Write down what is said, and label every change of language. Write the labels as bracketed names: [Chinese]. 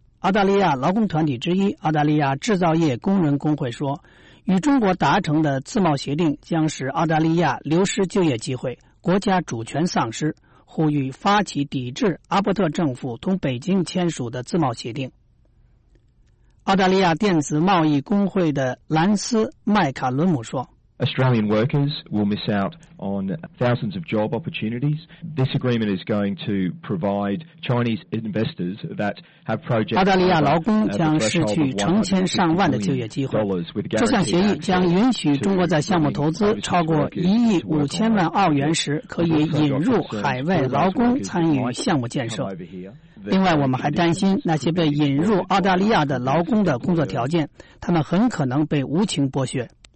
[Chinese] 澳大利亚劳工团体之一澳大利亚制造业工人工会说，与中国达成的自贸协定将使澳大利亚流失就业机会，国家主权丧失，呼吁发起抵制阿伯特政府同北京签署的自贸协定。澳大利亚电子贸易工会的兰斯·麦卡伦姆说， [English] Australian workers will miss out on thousands of job opportunities. This agreement is going to provide Chinese investors that have projects. [Chinese] 澳大利亚劳工将失去成千上万的就业机会。这项协议将允许中国在项目投资超过1.5亿澳元时，可以引入海外劳工参与项目建设。另外，我们还担心那些被引入澳大利亚的劳工的工作条件，他们很可能被无情剥削。